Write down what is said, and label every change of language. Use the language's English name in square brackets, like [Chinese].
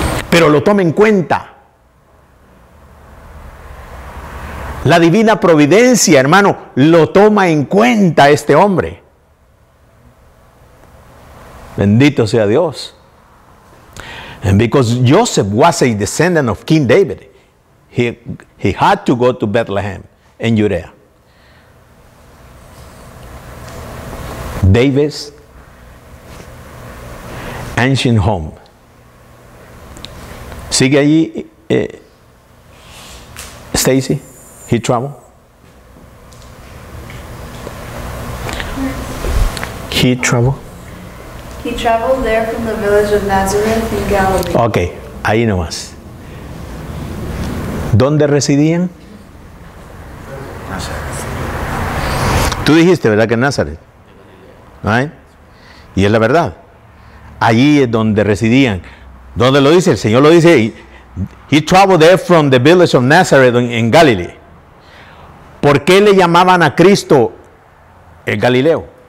[Spanish] Pero lo tome en cuenta. La divina providencia, hermano, lo toma en cuenta este hombre. Bendito sea Dios. [English] And because Joseph was a descendant of King David, he had to go to Bethlehem in Judea. David's ancient home. [Spanish] Sigue allí, Stacy. [English] He traveled. He traveled there from the village of Nazareth in Galilee. [Spanish] Okay, ahí nomás. ¿Dónde residían? Nazaret. Tú dijiste, ¿verdad? Que en Nazaret. ¿Vale? Y es la verdad. Allí es donde residían. ¿Dónde lo dice? El Señor lo dice. [English] He traveled there from the village of Nazareth in Galilee. [Spanish] ¿Por qué le llamaban a Cristo el Galileo?